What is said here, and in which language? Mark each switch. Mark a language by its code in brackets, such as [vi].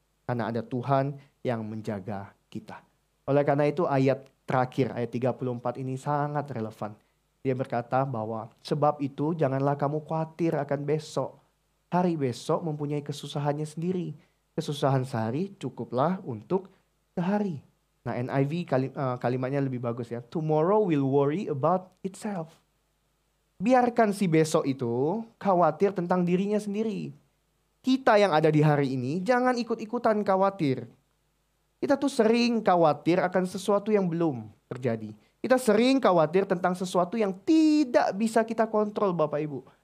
[id] Karena ada Tuhan yang menjaga kita. Oleh karena itu, ayat terakhir, ayat 34 ini sangat relevan. Dia berkata bahwa, sebab itu janganlah kamu khawatir akan besok. Hari besok mempunyai kesusahannya sendiri. Kesusahan sehari cukuplah untuk sehari. Nah, NIV kalimatnya lebih bagus ya. [en] Tomorrow will worry about itself. [id] Biarkan si besok itu khawatir tentang dirinya sendiri. Kita yang ada di hari ini jangan ikut-ikutan khawatir. Kita tuh sering khawatir akan sesuatu yang belum terjadi. Kita sering khawatir tentang sesuatu yang tidak bisa kita kontrol, Bapak Ibu.